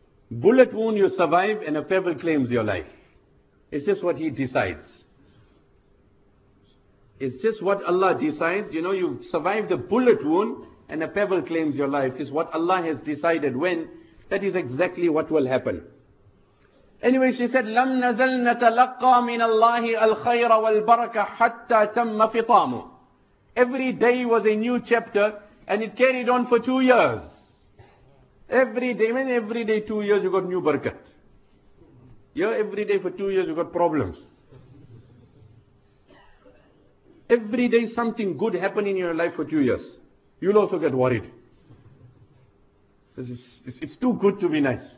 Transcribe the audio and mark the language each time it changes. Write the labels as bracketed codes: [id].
[en] Bullet wound you survive and a pebble claims your life. It's just what he decides. It's just what Allah decides. You know, you survive the bullet wound and a pebble claims your life. It's what Allah has decided when. That is exactly what will happen. Anyway, she said, [ar] لَمْ نَزَلْ نَتَلَقَّى مِنَ اللَّهِ الْخَيْرَ وَالْبَرَكَةِ حَتَّى تَمَّ فِطَامُ [en] Every day was a new chapter And it carried on for 2 years. Every day, 2 years you got new barakat. Yeah, every day for 2 years you got problems. Every day something good happened in your life for 2 years. You'll also get worried. It's too good to be nice.